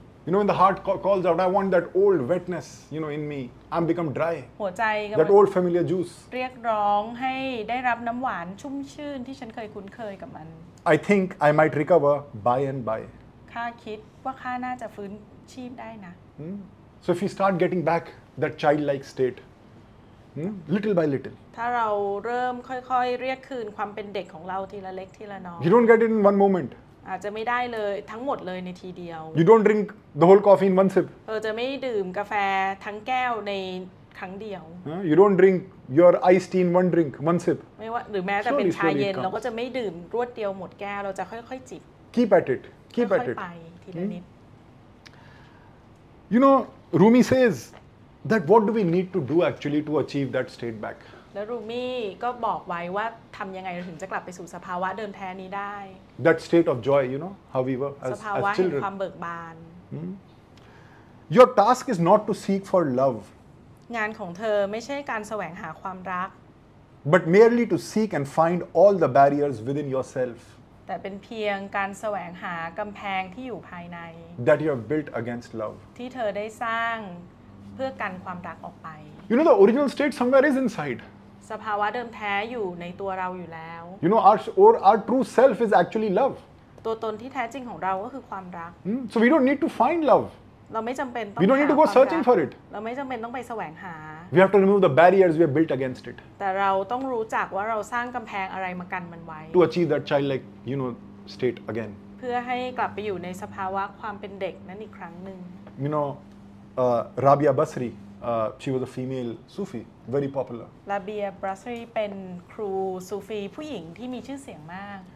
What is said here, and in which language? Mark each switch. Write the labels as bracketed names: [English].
[English] You know when the heart calls out I want that old wetness you know in me I'm become dry [Thai] หัวใจ [English] that old familiar juice [Thai] เรียกร้องให้ได้รับน้ำหวานชุ่มชื่นที่ฉันเคยคุ้นเคยกับมัน [English] I think I might recover by and by [Thai] ข้าคิดว่าข้าน่าจะฟื้นชีพได้นะ [English] So if you start getting back that childlike state little by little [Thai] ถ้าเราเริ่มค่อยๆเรียกคืนความเป็นเด็กของเราทีละเล็กทีละน้อย [English] You don't get it in one moment [Thai] อาจจะไม่ได้เลยทั้งหมดเลยในทีเดียว [English] You don't drink the whole coffee in one sip [Thai] เออจะไม่ดื่มกาแฟทั้งแก้วในครั้งเดียว [English] You don't drink your iced tea in one drink one sip [Thai] ไม่ว่าหรือแม้แต่เป็นชาเย็นเราก็จะไม่ดื่มรวดเดียวหมดแก้วเราจะค่อยๆจิบ [English] Keep at it Keep at it [Thai] ค่อยๆไปทีละนิด [English] You know Rumi says that what do we need to do actually to achieve that state back [Thai] แล้วรูมี่ก็บอกไว้ว่าทำยังไงถึงจะกลับไปสู่สภาวะเดิมแท้นี้ได้ [English] That state of joy, you know, how we were as children. [Thai] สภาวะแห่งความเบิกบาน [English] Your task is not to seek for love. [Thai] งานของเธอไม่ใช่การแสวงหาความรัก [English] But merely to seek and find all the barriers within yourself. [Thai] แต่เป็นเพียงการแสวงหากำแพงที่อยู่ภายใน [English] That you have built against love. [Thai] ที่เธอได้สร้างเพื่อกันความรักออกไป [English] You know the original state somewhere is inside. [Thai] สภาวะเดิมแท้อยู่ในตัวเราอยู่แล้ว [English] You know our true self is actually love [Thai] ตัวตนที่แท้จริงของเราก็คือความรัก [English] So we don't need to find love [Thai] เราไม่จำเป็นต้อง [English] We don't need to go searching for it [Thai] เราไม่จำเป็นต้องไปแสวงหา [English] We have to remove the barriers we have built against it [Thai] แต่เราต้องรู้จักว่าเราสร้างกำแพงอะไรมากันมันไว้ [English] To achieve that childlike you know state again [Thai] เพื่อให้กลับไปอยู่ในสภาวะความเป็นเด็กนั้นอีกครั้งนึง [English] You know Rabia Basri she was a female Sufi very popular [Thai] Rabia Basri เป็นครูซูฟีผู้หญิงที่มีชื่อเสียงมาก